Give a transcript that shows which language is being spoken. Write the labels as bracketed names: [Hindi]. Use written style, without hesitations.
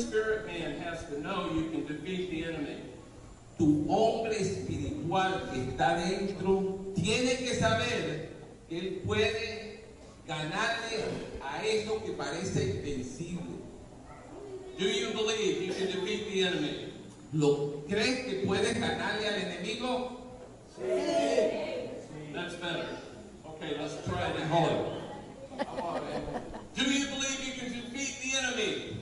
[English] The spirit man has to know you can defeat the enemy. [Spanish] Tu hombre espiritual que está dentro tiene que saber que él puede ganarle a eso que parece invencible. [English] Do you believe you can defeat the enemy? [Spanish] ¿Lo crees que puedes ganarle al enemigo? Sí. [English] That's better. Okay, let's try it at home. Do you believe you can defeat the enemy?